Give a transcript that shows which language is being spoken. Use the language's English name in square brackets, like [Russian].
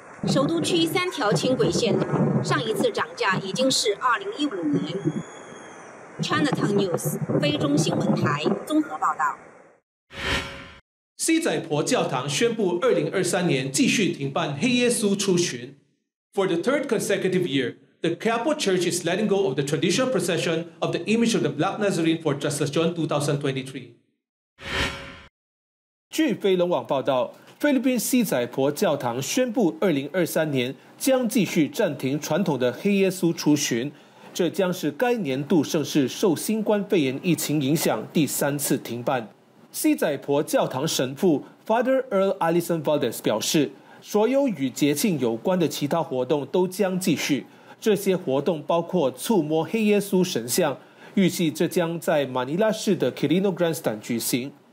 [Chinese] 首都区三条轻轨线路上一次涨价已经是2015年。 Chinatown News 菲中新闻台综合报道。西仔婆教堂宣布2023年继续停办黑耶稣出巡。 [English] For the third consecutive year, the Capo Church is letting go of the traditional procession of the image of the Black Nazarene for Translation 2023. [Chinese] 据飞龙网报道，菲律宾西仔婆教堂宣布2023年将继续暂停传统的黑耶稣出巡，这将是该年度盛事受新冠肺炎疫情影响第三次停办。西仔婆教堂神父 Father Earl Allison Valdez 表示，所有与节庆有关的其他活动都将继续，这些活动包括触摸黑耶稣神像，预计这将在马尼拉市的 Quirino Grandstand 举行。